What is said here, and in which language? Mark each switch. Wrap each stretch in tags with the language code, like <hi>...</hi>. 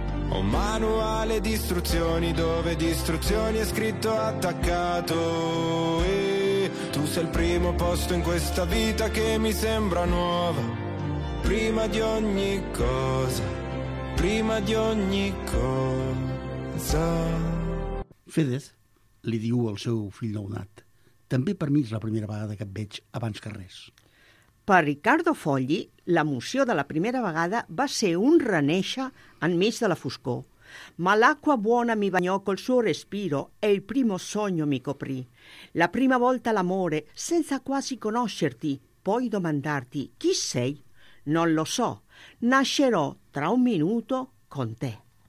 <it>Un manuale di istruzioni dove di istruzioni è scritto attaccato. E tu sei il primo posto in questa vita che mi sembra nuova. Prima di ogni cosa, prima di ogni cosa.</it> <ca>Fedez li diu al seu fill nounat, també per mi és la primera vegada que et veig abans que res. Per Riccardo Fogli, l'emoció de la primera vegada va ser un renéixer enmig de la foscor.</ca> <it>Malacqua buona mi bagnò col suo respiro e il primo sogno mi coprì. La prima volta l'amore, senza quasi conoscerti, poi domandarti chi sei? Non lo so, nascerò tra un minuto con te.</it>